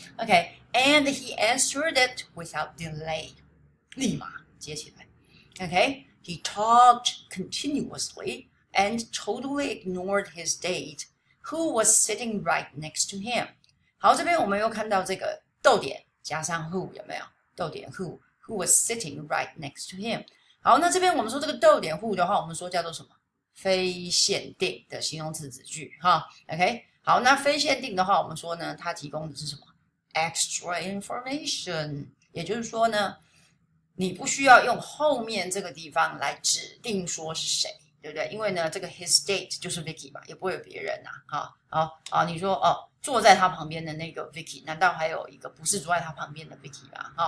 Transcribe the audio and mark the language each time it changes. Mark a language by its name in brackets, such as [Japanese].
[English] OK，and he answered it without delay，立马。 [Chinese] 接起来，OK. [English] He talked continuously and totally ignored his date, who was sitting right next to him. [Chinese] 好，这边我们又看到这个逗点加上 who 有没有？ [English] 逗点 who was sitting right next to him. [Chinese] 好，那这边我们说这个逗点 who 的话，我们说叫做什么？非限定的形容词子句哈，OK. 好，那非限定的话，我们说呢，它提供的是什么？ [English] Extra information， [Chinese] 也就是说呢。你不需要用后面这个地方来指定说是谁，对不对？因为呢，这个 his date 就是 Vicky 嘛，也不会有别人呐、啊。好，你说哦，坐在他旁边的那个 Vicky，难道还有一个不是坐在他旁边的 Vicky 吗？